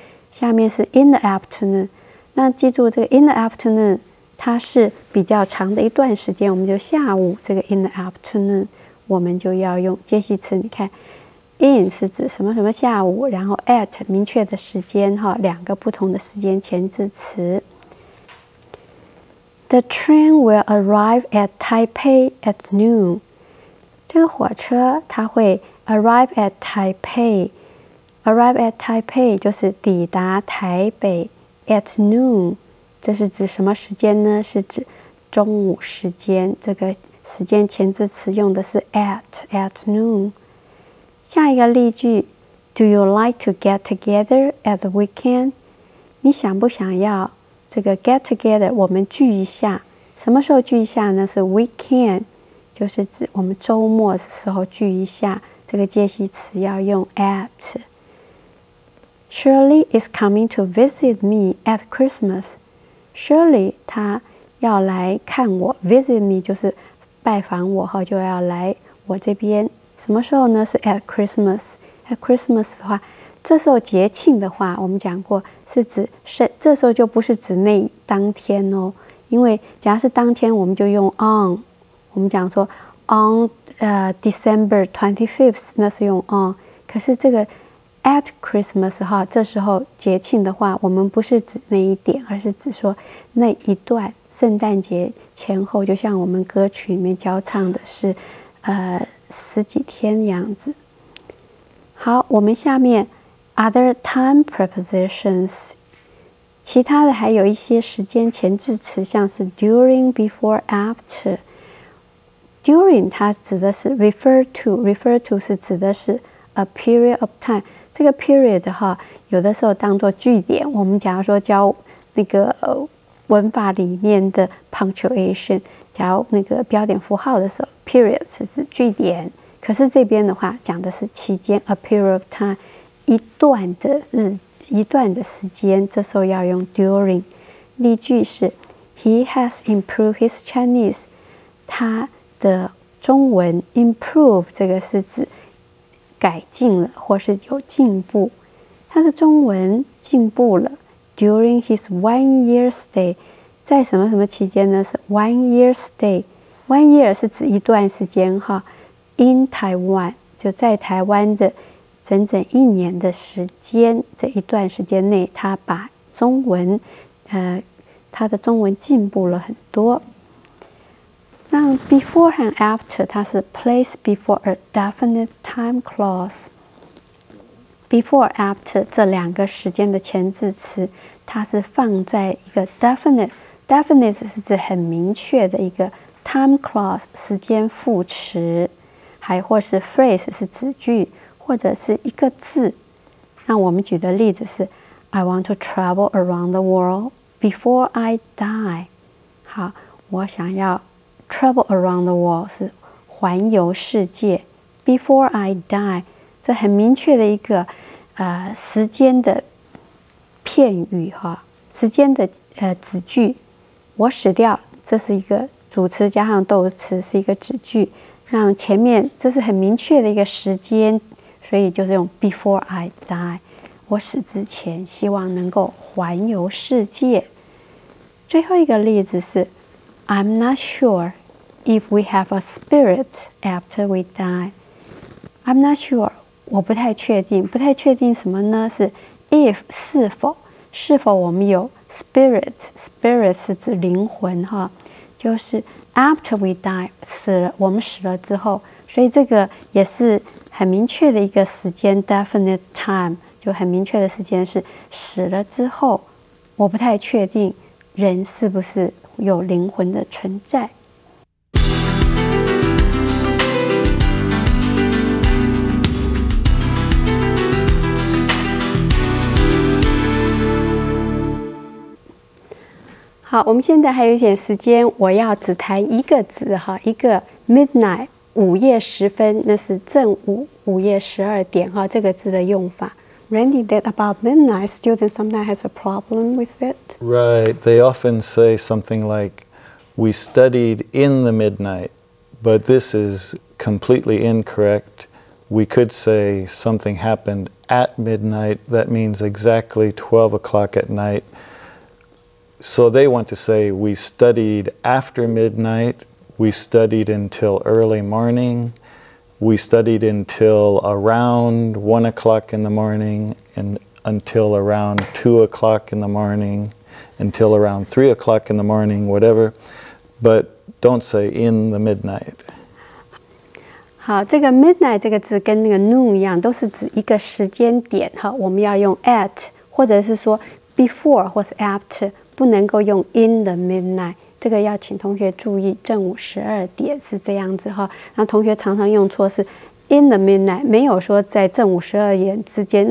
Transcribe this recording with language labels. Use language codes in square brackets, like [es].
[zh] 下面是 [en] in the afternoon， [zh] 那记住这个 in the afternoon， 它是比较长的一段时间，我们就下午这个 in the afternoon， 我们就要用介系词，你看。 [en] In [zh] 是指什么什么下午，然后 [en] at [zh] 明确的时间，两个不同的时间前置词。 [en] The train will arrive at Taipei at noon. [zh] 这个火车它会 [en] arrive at Taipei， [zh] arrive at Taipei 就是抵达台北 [en] at noon， [zh] 这是指什么时间呢？是指中午时间，这个时间前置词用的是 [en] at noon。 [zh] 下一个例句 [en] ，Do you like to get together at the weekend？ [zh] 你想不想要这个 [en] get together？ [zh] 我们聚一下，什么时候聚一下呢？是 [en] weekend， [zh] 就是指我们周末的时候聚一下。这个介系词要用 [en] at。 Shirley is coming to visit me at Christmas。 [zh] Shirley 她要来看我 ， [en] visit me [zh] 就是拜访我后就要来我这边。什么时候呢？是 [en] at Christmas。 at Christmas [zh] 的话，这时候节庆的话，我们讲过是指这时候就不是指那当天哦，因为假如是当天我们就用 on， 我们讲说 [en] on December 25th [zh] 那是用 on， 可是这个 at Christmas 哈，这时候节庆的话，我们不是指那一点，而是指说那一段圣诞节前后，就像我们歌曲里面交唱的是十几天样子。好，我们下面 [en] other time prepositions， [zh] 其他的还有一些时间前置词，像是 [en] during、before、after。 during [zh] 它指的是 [en] refer to [zh] 是指的是 [en] a period of time。 [zh] 这个 period 哈，有的时候当作句点。我们假如说教那个文法里面的 punctuation。假如那个标点符号的时候 period 是指句点，可是这边的话讲的是期间 [en] a period of time， [zh] 一段的时间，这时候要用 during。例句是 [en] He has improved his Chinese， [zh] 他的中文 improve 这个是指改进了或是有进步，他的中文进步了。 [en] during his 1 year stay， [zh] 在什么什么期间呢？是 [en] 1 year stay， [zh] 1 year 是指一段时间哈。 [en] In Taiwan [zh] 就在台湾的整整一年的时间，这一段时间内，他把中文，他的中文进步了很多。 [en] 那 before and after [zh] 它是 [en] place before a definite time clause。 Before after [zh] 这两个时间的前置词，它是放在一个 definite。 Definite 是指很明确的一个 [en] time clause [zh] 时间副词，还或是 phrase 是子句或者是一个字。那我们举的例子是 [en] I want to travel around the world before I die。 [zh] 好，我想要 [en] travel around the world [zh] 是环游世界， [en] before I die [zh] 这很明确的一个时间的片语哈，时间的子句。我死掉，这是一个主词加上动词，是一个子句。那前面这是很明确的一个时间，所以就是用 [en] before I die， [zh] 我死之前希望能够环游世界。最后一个例子是 [en] I'm not sure if we have a spirit after we die。 I'm not sure， [zh] 我不太确定。不太确定什么呢？是 if 是否我们有Spirit 是指灵魂哈，就是 [en] after we die [zh] 死了，我们死了之后，所以这个也是很明确的一个时间 [en] definite time， [zh] 就很明确的时间是死了之后，我不太确定人是不是有灵魂的存在。好，我们现在还有一点时间，我要只谈一个字哈，一个 midnight， 午夜时分，那是正午，午夜十二点哈，这个字的用法。 [en] Randy, that about midnight, students sometimes has a problem with it. Right, they often say something like, "We studied in the midnight," but this is completely incorrect. We could say something happened at midnight. That means exactly 12 o'clock at night. So they want to say we studied after midnight. We studied until early morning. We studied until around 1 o'clock in the morning, and until around 2 o'clock in the morning, until around 3 o'clock in the morning, whatever. But don't say in the midnight. [zh] 好，这个 midnight 这个字跟那个 noon 一样，都是指一个时间点哈。我们要用 at， 或者是说 before 或是 after， 不能够用 [en] in the midnight。 [zh] 这个要请同学注意，正午十二点是这样子哈。那同学常常用错是 [en] in the midnight， [zh] 没有说在正午十二点之间。